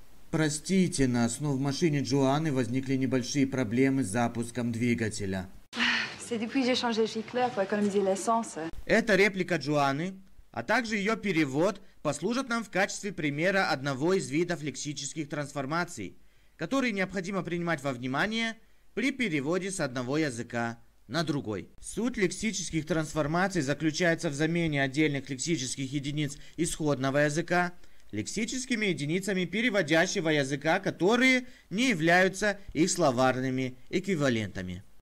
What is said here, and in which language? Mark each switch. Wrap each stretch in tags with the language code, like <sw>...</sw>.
<ru>Простите нас, но в машине Джоанны возникли небольшие проблемы с запуском двигателя.</ru> <fr>C'est depuis que j'ai changé chez Claire pour économiser l'essence.</fr> <ru>Эта реплика Джоанны, а также ее перевод, послужат нам в качестве примера одного из видов лексических трансформаций, которые необходимо принимать во внимание при переводе с одного языка на другой. Суть лексических трансформаций заключается в замене отдельных лексических единиц исходного языка лексическими единицами переводящего языка, которые не являются их словарными эквивалентами.</ru>